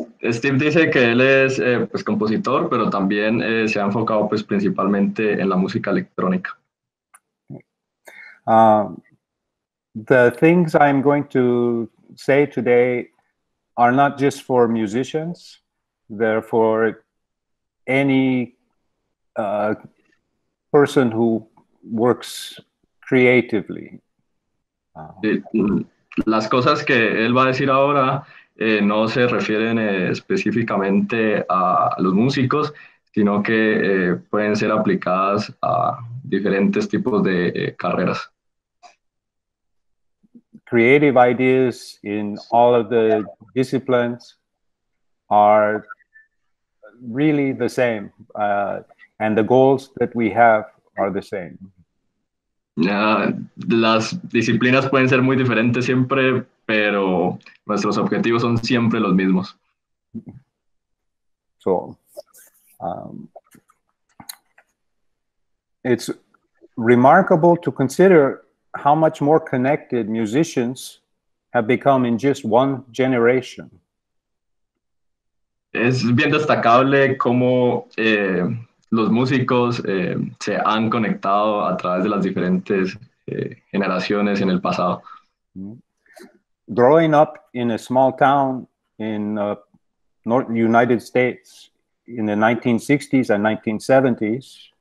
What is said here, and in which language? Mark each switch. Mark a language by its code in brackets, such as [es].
[es] Steve dice que él es pues compositor, pero también se ha enfocado pues principalmente en la música electrónica. [en] The things I'm going to say today are not just for musicians; they're for any person who works creatively. [es] Las cosas que él va a decir ahora no se refieren específicamente a los músicos, sino que pueden ser aplicadas a diferentes tipos de carreras. [en] Creative ideas in all of the disciplines are really the same. And the goals that we have are the same. [es] Las disciplinas pueden ser muy diferentes siempre, pero nuestros objetivos son siempre los mismos. [en] So, it's remarkable to consider how much more connected musicians have become in just one generation. [es] Es bien destacable cómo los músicos se han conectado a través de las diferentes generaciones en el pasado. [en] Growing up in a small town in North United States in the 1960s and 1970s.